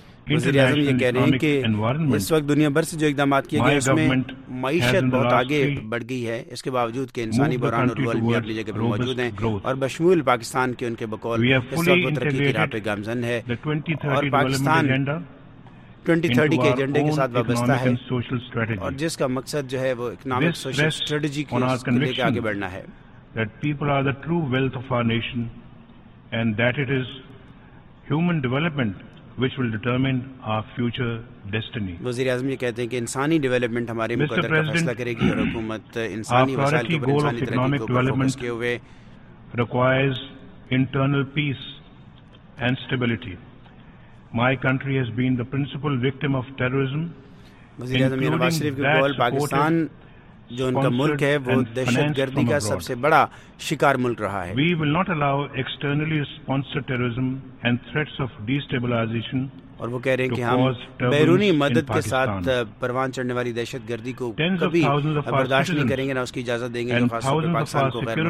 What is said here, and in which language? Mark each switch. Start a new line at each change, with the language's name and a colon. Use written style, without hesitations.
Urdu: وزیر اعظم یہ کہہ رہے ہیں کہ اس وقت دنیا بھر سے جو اقدامات کیے گئے اس میں معیشت بہت آگے بڑھ گئی ہے, اس کے باوجود کہ انسانی بحران اور ورلڈ میں اگلی جگہ پر موجود ہیں, اور بشمول پاکستان کے ان کے بقول اس وقت ترقی کی راہ پہ گامزن ہے, اور پاکستان 2030 کے ایجنڈے کے ساتھ وابستہ ہے اور جس کا مقصد جو ہے وہ اکنامک سوشل اسٹریٹجی کے لے کے آگے بڑھنا ہے.
English: That people are the true wealth of our nation and that it is human development which will determine our future destiny.
Urdu: وزیر اعظم یہ کہتے ہیں کہ انسانی ڈیولپمنٹ ہمارے مقدر کا فیصلہ کرے گی اور حکومت انسانی وسائل کے اوپر انسانی ترقی کو فوکس کیے ہوئے
English: requires internal peace and stability. My country has been the principal victim of terrorism.
Urdu: وزیر اعظم نواز شریف کے قول پاکستان جو ان کا ملک ہے وہ دہشت گردی کا سب سے بڑا شکار ملک رہا ہے.
English: We will not allow externally sponsored terrorism and threats of destabilization.
Urdu: اور وہ کہہ رہے ہیں کہ ہم بیرونی مدد کے ساتھ پروان چڑھنے والی دہشت گردی کو کبھی برداشت نہیں کریں گے نہ اس کی اجازت دیں گے.